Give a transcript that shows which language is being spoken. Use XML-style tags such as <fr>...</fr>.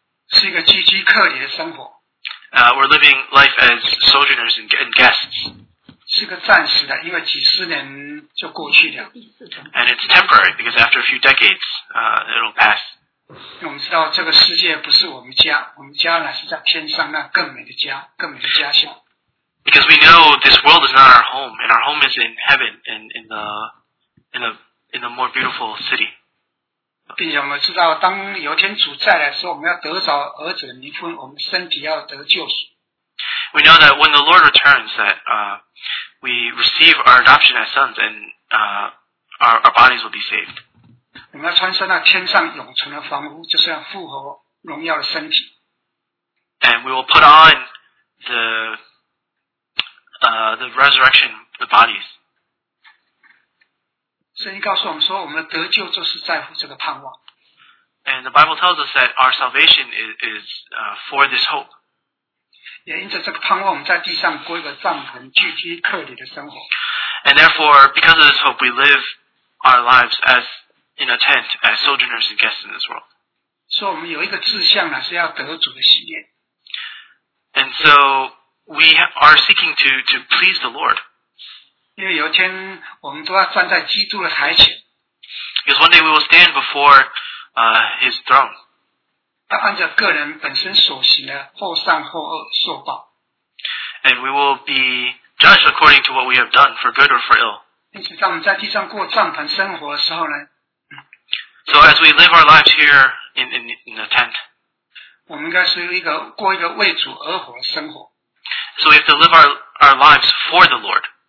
<zh>是一个寄居客里的生活。</zh> <en>We're living life as sojourners and guests.</en> <zh>是个暂时的，因为几十年就过去了。</zh> <en>And it's temporary because after a few decades, it'll pass.</en> <zh>我们知道这个世界不是我们家，我们家乃是在天上那更美的家，更美的家乡。</zh> <en>Because we know this world is not our home, and our home is in heaven, and in the more beautiful city.</en> <zh>并且我们知道，当有天主再来的时候，我们要得着儿子的名分，我们身体要得救赎。</zh> <en>We know that when the Lord returns, that we receive our adoption as sons, and our bodies will be saved.</en> <zh>我们要穿上那天上永存的房屋，就是要复活荣耀的身体。</zh> <en>And we will put on the resurrection, the bodies.</en> <zh>圣经告诉我们说，我们的得救就是在乎这个盼望。</zh> <en>And the Bible tells us that our salvation is for this hope.</en> <zh>也因着这个盼望，我们在地上过一个帐篷聚居客里的生活。</zh> <en>And therefore, because of this hope, we live our lives as in a tent, as sojourners and guests in this world.</en> <zh>所以我们有一个志向呢，是要得主的喜悦。</zh> <en>And so we are seeking to please the Lord.</en> <zh>因为有一天我们都要站在基督的台前。</zh> <en>Because one day we will stand before His throne.</en> <zh>要按照个人本身所行的或善或恶受报。</zh> <en>And we will be judged according to what we have done, for good or for ill. So as we live our lives here in the tent, so we have to live our lives for the Lord.</en>